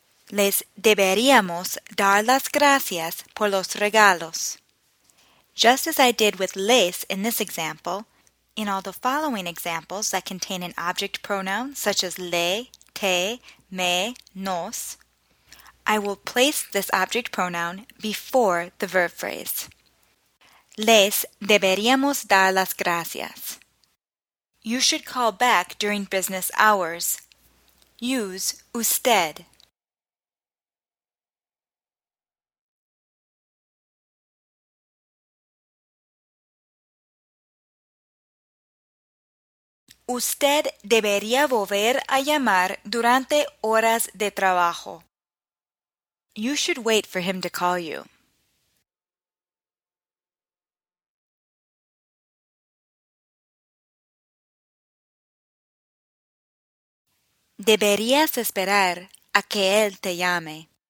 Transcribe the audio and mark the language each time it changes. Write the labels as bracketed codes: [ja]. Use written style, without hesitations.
[es] Les deberíamos dar las gracias por los regalos. [en] Just as I did with les in this example, in all the following examples that contain an object pronoun such as le, te, me, nos, I will place this object pronoun before the verb phrase. [es] Les deberíamos dar las gracias. [en] You should call back during business hours. Use usted. [es] Usted debería volver a llamar durante horas de trabajo. [en] You should wait for him to call you. [es] Deberías esperar a que él te llame.